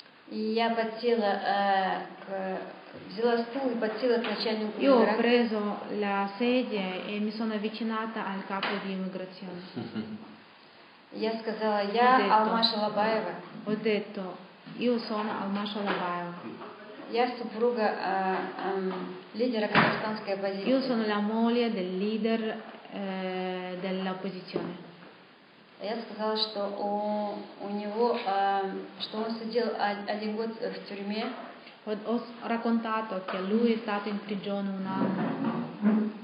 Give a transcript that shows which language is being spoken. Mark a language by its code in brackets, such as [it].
[ru] Я подсела взяла стул и подсела к начальнику миграции. [it] Io ho preso la sedia e mi sono avvicinata al capo di immigrazione. [ru] Я сказала, я Алмаш Алабаева. [it] Ho detto, io sono Алмаш Алабаева. [ru] Я супруга лидера казахстанской оппозиции. [it] Io sono la moglie del leader dell'opposizione. [ru] Я сказала, что у него, что он сидел один год в тюрьме. [it] Ho raccontato che lui è stato in prigione un anno.